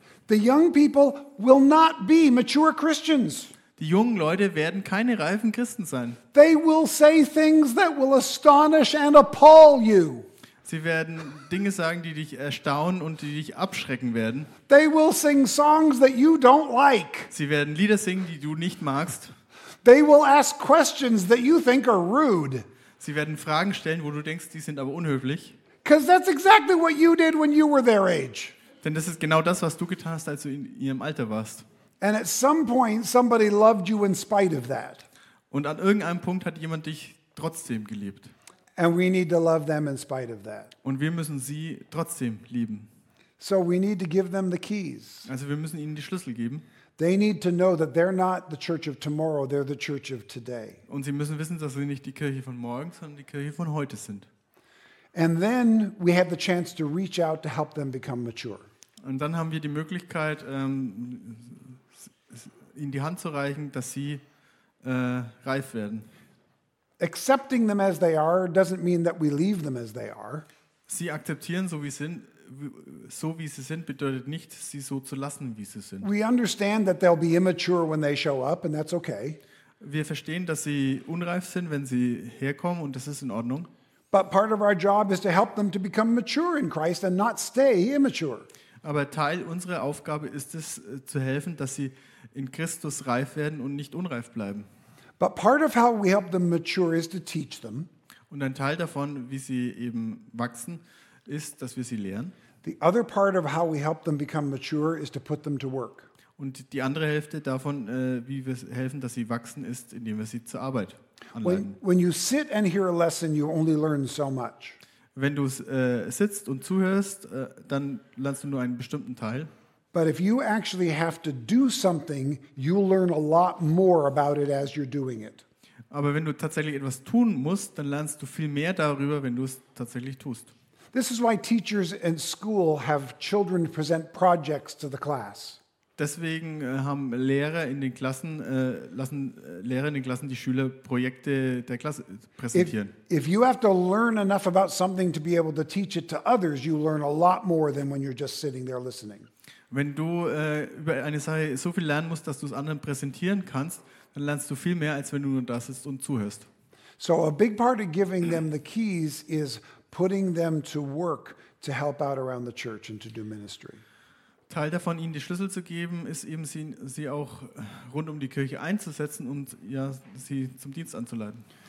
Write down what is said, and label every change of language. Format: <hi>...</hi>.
<en>The young people will not be mature Christians.</en> <de>Die jungen Leute werden keine reifen Christen sein.</de> <en>They will say things that will astonish and appall you.</en> <de>Sie werden Dinge sagen, die dich erstaunen und die dich abschrecken werden.</de> <en>They will sing songs that you don't like.</en> <de>Sie werden Lieder singen, die du nicht magst.</de> <en>They will ask questions that you think are rude.</en> <de>Sie werden Fragen stellen, wo du denkst, die sind aber unhöflich.</de> <en>Because that's exactly what you did when you were their age.</en> <de>Denn das ist genau das, was du getan hast, als du in ihrem Alter warst.</de> <en>And at some point somebody loved you in spite of that.</en> <de>Und an irgendeinem Punkt hat jemand dich trotzdem geliebt.</de> <en>And we need to love them in spite of that.</en> <de>Und wir müssen sie trotzdem lieben.</de> <en>So we need to give them the keys.</en> <de>Also wir müssen ihnen die Schlüssel geben.</de> <en>They need to know that they're not the church of tomorrow, they're the church of today.</en> <de>Und sie müssen wissen, dass sie nicht die Kirche von morgen, sondern die Kirche von heute sind.</de> <en>And then we have the chance to reach out to help them become mature.</en> <de>Und dann haben wir die Möglichkeit, ihnen die Hand zu reichen, dass sie reif werden.</de> <en>Accepting them as they are doesn't mean that we leave them as they are.</en> <de>Sie akzeptieren so wie sie sind bedeutet nicht, sie so zu lassen, wie sie sind.</de> <en>We understand that they'll be immature when they show up and that's okay.</en> <de>Wir verstehen, dass sie unreif sind, wenn sie herkommen und das ist in Ordnung.</de> <en>But part of our job is to help them to become mature in Christ and not stay immature.</en> <de>Aber Teil unserer Aufgabe ist es zu helfen, dass sie in Christus reif werden und nicht unreif bleiben.</de> <en>But part of how we help them mature is to teach them.</en> <de>Und ein Teil davon, wie sie eben wachsen, ist, dass wir sie lehren.</de> <en>The other part of how we help them become mature is to put them to work.</en> <de>Und die andere Hälfte davon, wie wir helfen, dass sie wachsen, ist, indem wir sie zur Arbeit anleiten.</de> <en>When you sit and hear a lesson, you only learn so much.</en> <de>Wenn du sitzt und zuhörst, dann lernst du nur einen bestimmten Teil.</de> <en>But if you actually have to do something, you'll learn a lot more about it as you're doing it.</en> <de>Aber wenn du tatsächlich etwas tun musst, dann lernst du viel mehr darüber, wenn du es tatsächlich tust.</de> <en>This is why teachers in school have children present projects to the class.</en> <de>Deswegen haben Lehrer in den Klassen lassen Lehrer in den Klassen die Schüler Projekte der Klasse präsentieren.</de> <en>If you have to learn enough about something to be able to teach it to others, you learn a lot more than when you're just sitting there listening.</en> <de>Wenn du über eine Sache so viel lernen musst, dass du es anderen präsentieren kannst, dann lernst du viel mehr, als wenn du nur da sitzt und zuhörst.</de> <en>So a big part of giving them the keys is putting them to work to help out around the church and to do ministry.</en> <de>Teil davon, ihnen die Schlüssel zu geben, ist eben, sie auch rund um die Kirche einzusetzen und ja, sie zum Dienst anzuleiten.</de>